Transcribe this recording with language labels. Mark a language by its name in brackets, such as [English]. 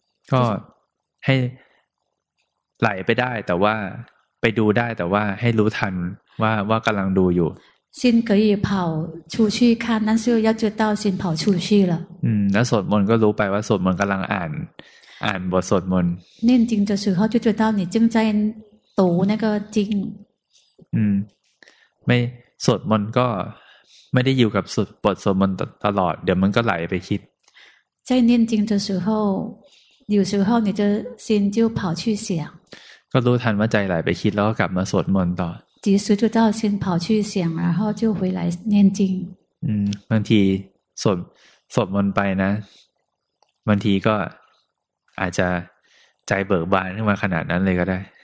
[Thai] ก็ให้ไหลไปได้แต่ว่าไปดูได้แต่ว่าให้รู้ทันว่ากำลังดูอยู่ [Chinese] 心可以跑出去看但是要知道心跑出去了 [Thai] แล้วสวดมนต์ก็รู้ไปว่าสวดมนต์กำลังอ่านบทสวดมนต์ [Chinese] 念经的时候就知道你正在读那个经 [Thai] ไม่สวดมนต์ก็ไม่ได้อยู่กับบทสวดมนต์ตลอดเดี๋ยวมันก็ไหลไปคิด [Chinese] 在念经的时候有时候你的心就跑去想 [Thai] ก็รู้ทันว่าใจไหลไปคิดแล้วก็กลับมาสวดมนต์ต่อ [Chinese] 及时知道心跑去想然后就回来念经 [Thai] บางทีสวดมนต์ไปนะบางทีก็อาจจะใจเบิกบานขึ้นมาขนาดนั้นเลยก็ได้